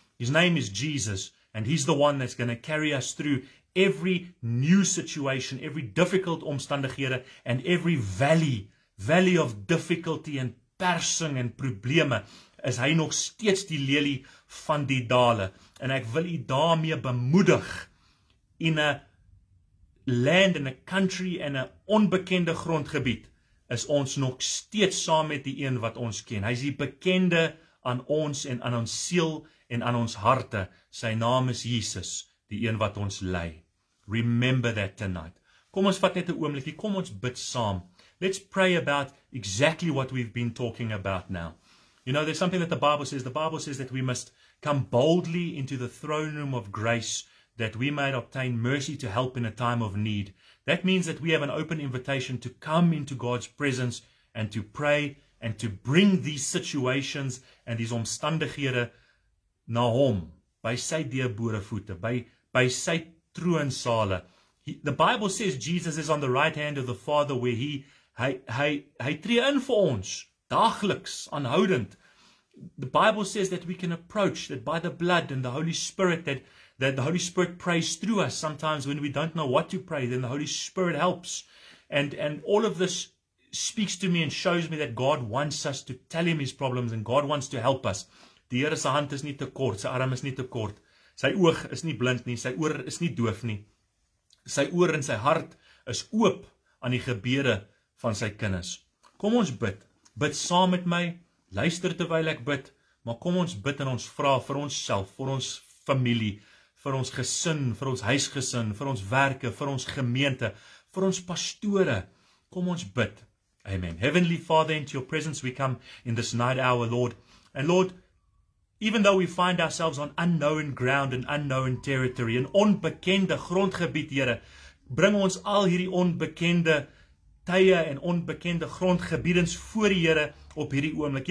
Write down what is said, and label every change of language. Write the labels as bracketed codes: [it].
[en] His name is Jesus, and he's the one that's going to carry us through every new situation, every difficult omstandighede, and every valley of difficulty and persing and probleme, [af] is hy nog steeds die lelie van die dale. En ek wil u daarmee bemoedig, [en] in a land, in a country, in a [af] onbekende grondgebied, is ons nog steeds saam met die een wat ons ken. Hy is die bekende aan ons en aan ons siel en aan ons harte. Sy naam is Jesus, die een wat ons lei. [en] Remember that tonight. [af] Kom ons vat net 'n oomblikie, kom ons bid saam. [en] Let's pray about exactly what we've been talking about now. You know, there's something that the Bible says. The Bible says that we must come boldly into the throne room of grace, that we might obtain mercy to help in a time of need. That means that we have an open invitation to come into God's presence and to pray and to bring these situations and these omstandighede [af] na hom, by sy deurboorevoete, by sy troonsale. [en] The Bible says Jesus is on the right hand of the Father, where [af] hy tree in vir ons dagliks, aanhoudend. [en] The Bible says that we can approach, that by the blood and the Holy Spirit, that the Holy Spirit prays through us. Sometimes when we don't know what to pray, then the Holy Spirit helps. And all of this speaks to me and shows me that God wants us to tell him his problems and God wants to help us. [af] Die Here se hand is nie te kort, sy arm is nie te kort. Sy oog is nie blind nie, sy oor is nie doof nie. Sy oor en sy hart is oop aan die gebede van sy kinders. Kom ons bid. Bid saam met my, luister terwyl ek bid, maar kom ons bid en ons vra vir onsself, vir ons familie, vir ons gesin, vir ons huisgesin, vir ons werke, vir ons gemeente, vir ons pastore. Kom ons bid. Amen. [en] Heavenly Father, into your presence we come in this night hour, Lord. And Lord, even though we find ourselves on unknown ground and unknown territory, [af] in onbekende grondgebied, Here, bring ons al hierdie onbekende tye en onbekende grondgebiedens voor die Here op hierdie oomblik.